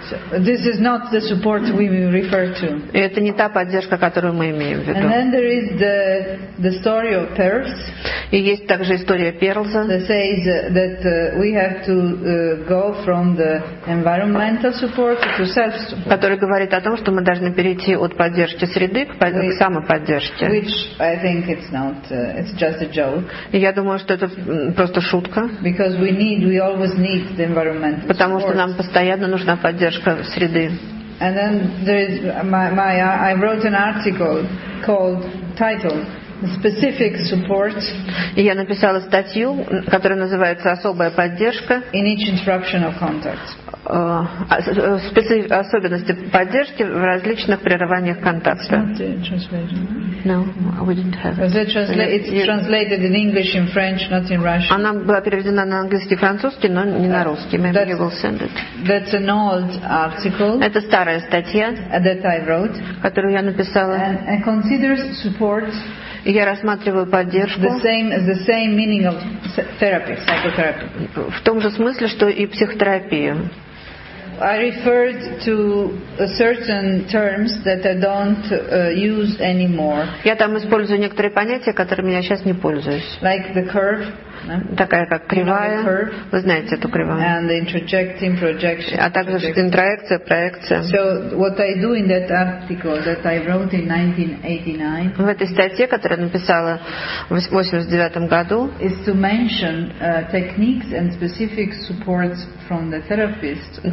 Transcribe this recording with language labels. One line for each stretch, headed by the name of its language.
English: This is not the support we refer to.
Russian: Это не та поддержка, которую мы имеем в виду.
English: And then there is the story of pearls.
Russian: И есть также история Перлза.
English: That says that we have to go from the environmental support to self-support.
Russian: Который говорит о том, что мы должны перейти от поддержки среды к самоподдержке.
English: Which I think it's not. It's just a joke.
Russian: И я думаю, что это просто шутка.
English: Because we always need the environmental support.
Russian: Потому что нам постоянно нужна поддержка. Среды.
English: And then there is I wrote an article called title specific support.
Russian: И я написала статью, которая называется «Особая поддержка».
English: In each interruption of contact.
Russian: Особенности поддержки в различных прерываниях контакта.
English: It's not translated. No, we didn't have. It's translated, translated in English, in French, not in Russian.
Russian: Она была переведена на английский, французский, но не на русский.
English: Maybe we will send it. That's an old article.
Russian: Это старая статья,
English: that I wrote,
Russian: которую я написала.
English: And considers support.
Russian: И я рассматриваю поддержку
English: the same meaning of therapy, psychotherapy.
Russian: В том же смысле, что и психотерапию.
English: I referred to certain terms that I don't use anymore.
Russian: Я там использую некоторые понятия, которыми я сейчас не пользуюсь.
English: Like the curve.
Russian: Такая как кривая.
English: You know the curve.
Russian: Вы знаете эту кривую.
English: And interjecting, projection.
Russian: А также интроекция, проекция.
English: So what I do in that article that I wrote in 1989.
Russian: В этой статье, которую я написала в 89 году.
English: Is to mention techniques and specific supports from the therapist.